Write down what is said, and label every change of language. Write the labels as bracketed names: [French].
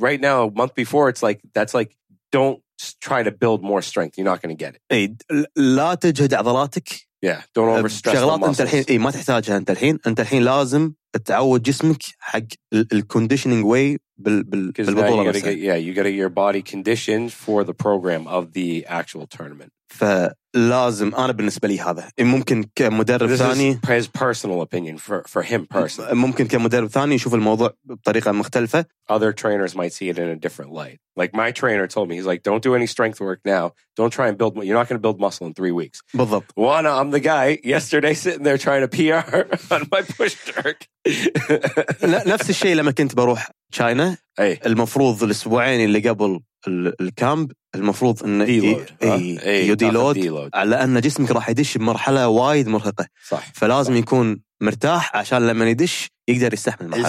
[English] right now a month before it's like that's like don't try to build more strength you're not going to get it [Arabic] اي لا تجهد عضلاتك [English] Yeah, don't overstress the muscles. [Arabic] شغلات انت الحين ما تحتاجها انت الحين لازم تعود جسمك حق الconditioning way بالبطولة نفسها. [English] Yeah, you gotta get your body conditioned for the program of the actual tournament. [Arabic] فلازم أنا بالنسبة لي هذا. ممكن كمدرب ثاني. [English] This is his personal opinion for him personally. [Arabic] ممكن كمدرب ثاني يشوف الموضوع بطريقة مختلفة. [English] Other trainers might see it in a different light. Like my trainer told me, he's like, don't do any strength work now. Don't try and build, you're not going to build muscle in 3 weeks. [Arabic] بالضبط. [English] Wana, I'm the guy yesterday sitting there trying to PR on my push jerk. [Arabic] نفس الشيء لما كنت بروح تشاينا. أي. المفروض الأسبوعين اللي قبل الكامب المفروض ان يديلود على ان جسمك راح يدش بمرحله وايد مرهقه صح فلازم صح. يكون مرتاح عشان لما يدش يقدر يستحمل المرحله